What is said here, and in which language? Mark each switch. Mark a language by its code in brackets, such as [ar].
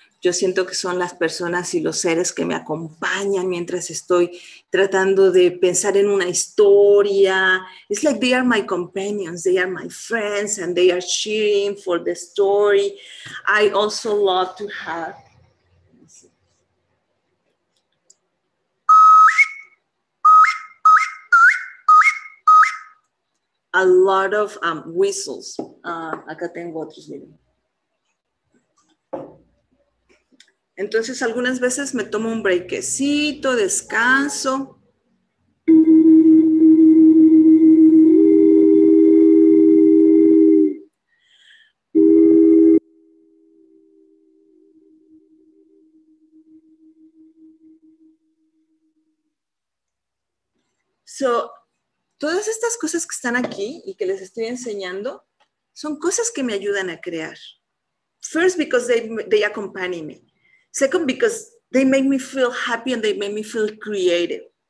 [es] Yo siento que son las personas y los seres que me acompañan mientras estoy tratando de pensar en una historia. [en] It's like they are my companions, they are my friends, and they are cheering for the story. I also love to have, a lot of whistles. [es] Acá tengo otros, miren. Entonces, algunas veces me tomo un breakcito, descanso. So, todas estas cosas que están aquí y que les estoy enseñando son cosas que me ayudan a crear. [en] First, because they accompany me. Second, because they make me feel happy and they make me feel creative.